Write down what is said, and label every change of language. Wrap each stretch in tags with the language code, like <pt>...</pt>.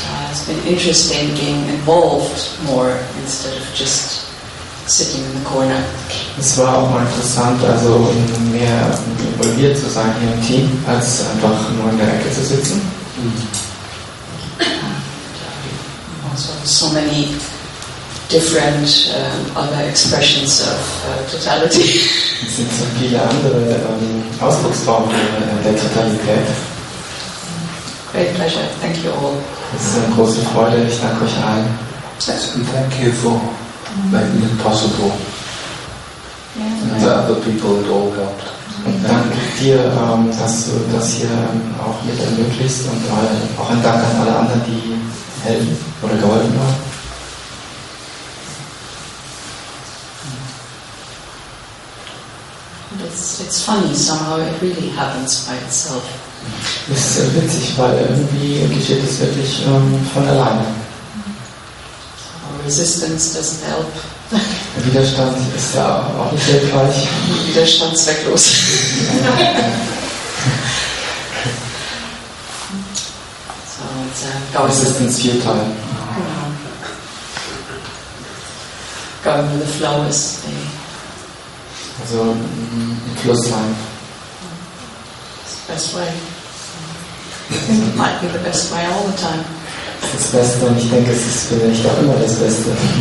<en>It's been interesting being involved more instead of just sitting in the corner.</en> <de>Es war auch mal interessant, also mehr involviert zu sein hier im Team, als einfach nur in der Ecke zu sitzen. Mm.</de> <en>And, also so many different other expressions of totality.</en> <de>Es sind so viele andere Ausdrucksformen der Totalität.</de> <en>Great pleasure. Thank you all.</en> <de>Es ist eine große Freude. Ich danke euch allen.</de> <en>Yes. Thank you for making it possible. Yeah, and the other people it all helped.</en> <de>Und danke dir, dass du das hier auch mit ermöglicht und auch ein Dank an alle anderen, die helfen oder geholfen haben.</de> <en>It's funny, somehow it really happens by itself.</en> <de>Es ist sehr witzig, weil irgendwie geschieht es wirklich von alleine.</de> <en>So resistance doesn't help.</en> <de>Der Widerstand ist ja auch nicht hilfreich. Widerstand zwecklos.</de> <en>So it's resistance futile. Going with the flow is the.</en> <de>Also ein Fluss sein.</de> <en>It's the best way. It might be the best way all the time.</en> <de>Es ist das Beste und ich denke, es ist vielleicht auch immer das Beste.</de>